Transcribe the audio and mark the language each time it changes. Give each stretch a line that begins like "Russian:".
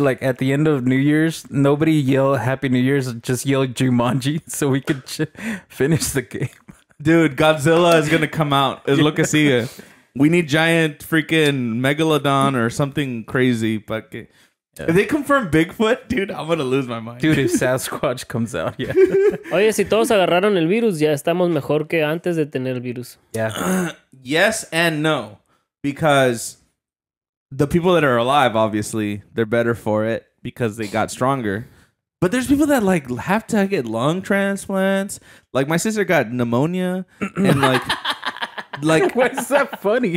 English: Like, at the end of New Year's, nobody yelled Happy New Year's, just yelled Jumanji so we could finish the game. Dude, Godzilla is going to come out.
Spanish: Es lo que sigue.
English: We need giant freaking Megalodon or something crazy. But if they confirm Bigfoot, dude, I'm going to lose my mind. Dude, if Sasquatch comes out, yeah.
Spanish: Oye, si todos agarraron el virus, ya estamos mejor que antes de tener el virus.
English: Yeah. Yes and no. Because the people that are alive, obviously, they're better for it because they got stronger. But there's people that, like, have to get lung transplants. Like, my sister got pneumonia and, like... Like, why is that funny?